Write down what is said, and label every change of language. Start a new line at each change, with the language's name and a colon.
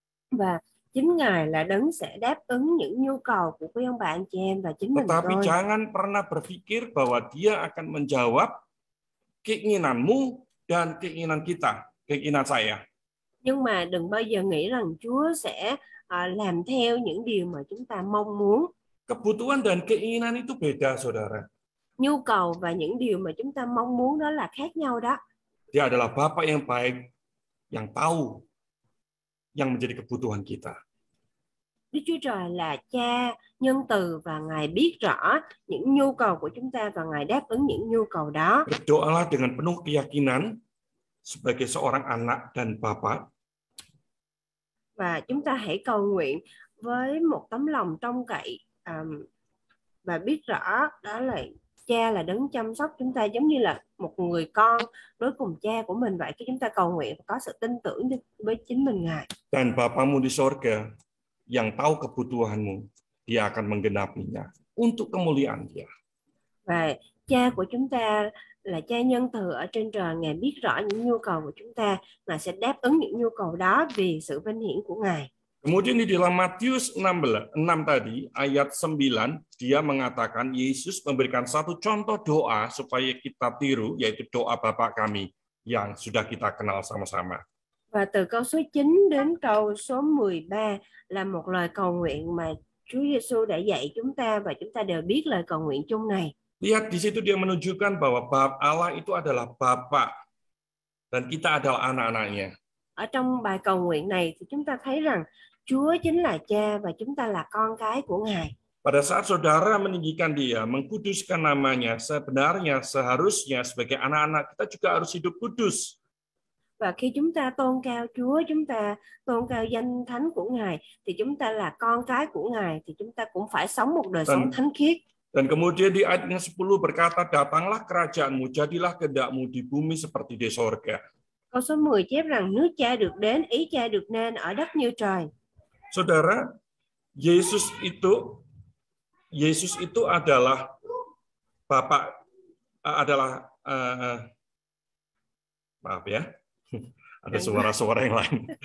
Vietnamese: Và chính Ngài là đấng sẽ đáp ứng những nhu cầu của quý ông bà anh chị em và chính mình thôi.
Indonesian: Tetapi jangan pernah berpikir bahwa Dia akan menjawab keinginanmu dan keinginan kita, keinginan saya.
Vietnamese: Nhưng mà đừng bao giờ nghĩ rằng Chúa sẽ làm theo những điều mà chúng ta mong muốn.
Indonesian: Kebutuhan dan keinginan itu beda, saudara.
Vietnamese: Nhu cầu và những điều mà chúng ta mong muốn đó là khác nhau đó.
Indonesian: Dia adalah Bapa yang baik, yang tahu, yang menjadi kebutuhan kita.
Vietnamese: Đức Chúa Trời là Cha nhân từ và Ngài biết rõ những nhu cầu của chúng ta và Ngài đáp ứng những nhu cầu đó.
Indonesian: Berdoalah dengan penuh keyakinan sebagai seorang anak dan bapa.
Vietnamese: Và chúng ta hãy cầu nguyện với một tấm lòng trông cậy và biết rõ đó là Cha là đấng chăm sóc chúng ta giống như là một người con đối cùng cha của mình vậy khi chúng ta cầu nguyện có sự tin tưởng với chính mình Ngài.
Indonesian: Dan bapamu di sorga yang tahu kebutuhanmu, Dia akan menggenapinya. untuk kemuliaan Dia.
Vietnamese: Baik, Cha của chúng ta là Cha nhân từ ở trên trời, Ngài biết rõ những nhu cầu của chúng ta, Ngài sẽ đáp ứng những nhu cầu đó vì sự vinh hiển của Ngài.
Indonesian: Kemudian di dalam Matius 6 tadi ayat 9 Dia mengatakan Yesus memberikan satu contoh doa supaya kita tiru, yaitu doa Bapa kami yang sudah kita kenal sama-sama.
Vietnamese: Và từ câu số 9 đến câu số 13 là một lời cầu nguyện mà Chúa Giêsu đã dạy chúng ta và chúng ta đều biết lời cầu nguyện chung này.
Indonesian: Lihat di situ Dia menunjukkan bahwa Bapa Allah itu adalah Bapa dan kita adalah anak-anak-Nya.
Vietnamese: Ở trong bài cầu nguyện này thì chúng ta thấy rằng Chúa chính là Cha và chúng ta là con cái của Ngài.
Indonesian: Pada saat saudara meninggikan Dia, mengkuduskan namanya, sebenarnya seharusnya sebagai anak-anak kita juga harus hidup kudus.
Vietnamese: Và khi chúng ta tôn cao Chúa, chúng ta tôn cao danh thánh của Ngài, thì chúng ta là con cái của Ngài, thì chúng ta cũng phải sống một đời sống thánh khiết.
Indonesian: Dan kemudian di ayat 10 berkata, datanglah kerajaan-Mu, jadilah kehendak-Mu di bumi seperti di sorga.
Vietnamese: Câu số 10 chép rằng nước Cha được đến, ý Cha được nên ở đất như trời.
Indonesian: Saudara, Yesus itu adalah Bapa, adalah maaf ya, ada suara-suara yang lain.